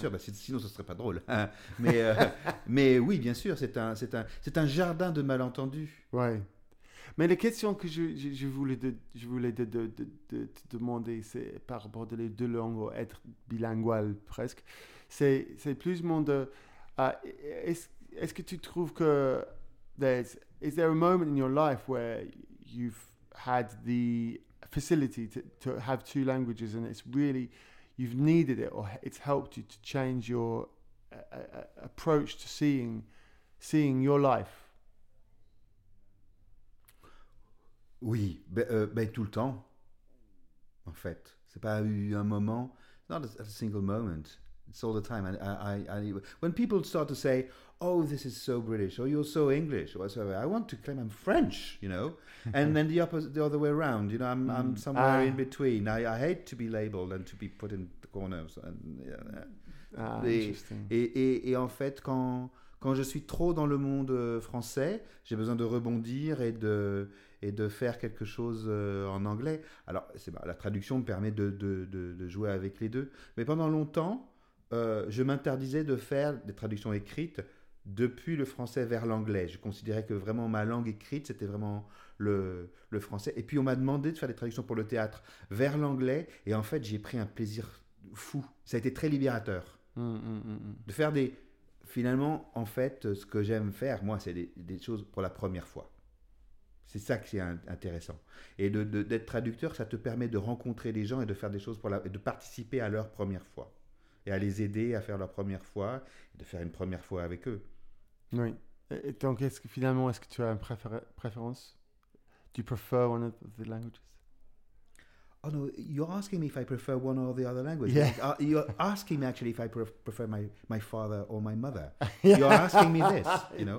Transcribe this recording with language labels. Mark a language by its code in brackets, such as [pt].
[fr] sûr, bah, sinon ce ne serait pas drôle. Mais, mais oui, bien sûr, c'est un jardin de malentendus. Oui. Mais la question que je voulais te demander, c'est par rapport à les deux langues, ou être bilingual presque, c'est plus ou moins de. Est-ce que tu trouves que. [en] Is there a moment in your life where you've had the. Facility to have two languages, and it's really you've needed it, or it's helped you to change your approach to seeing your life. [fr] Oui, mais tout le temps. En fait, c'est pas eu un moment. [en] Not a single moment. It's all the time. I when people start to say, "Oh, this is so British," or "You're so English," or whatever, I want to claim I'm French, you know. And then the other way around, you know, I'm somewhere in between. I hate to be labeled and to be put in the corners. And, interesting. [fr] Et en fait, quand je suis trop dans le monde français, j'ai besoin de rebondir et de faire quelque chose en anglais. Alors, c'est la traduction me permet de jouer avec les deux, mais pendant longtemps. Je m'interdisais de faire des traductions écrites depuis le français vers l'anglais. Je considérais que vraiment ma langue écrite, c'était vraiment le français. Et puis on m'a demandé de faire des traductions pour le théâtre vers l'anglais. Et en fait, j'ai pris un plaisir fou. Ça a été très libérateur. De faire des. Finalement, en fait, ce que j'aime faire, moi, c'est des choses pour la première fois. C'est ça qui est intéressant. Et d'être traducteur, ça te permet de rencontrer des gens et de faire des choses et de participer à leur première fois. Et à les aider à faire leur première fois, de faire une première fois avec eux. Oui. Et donc, est-ce que tu as une préférence? [en] Do you prefer one of the languages? Oh no, you're asking me if I prefer one or the other language. Yeah. You're asking me actually if I prefer my father or my mother. Yeah. You're asking me this, you know.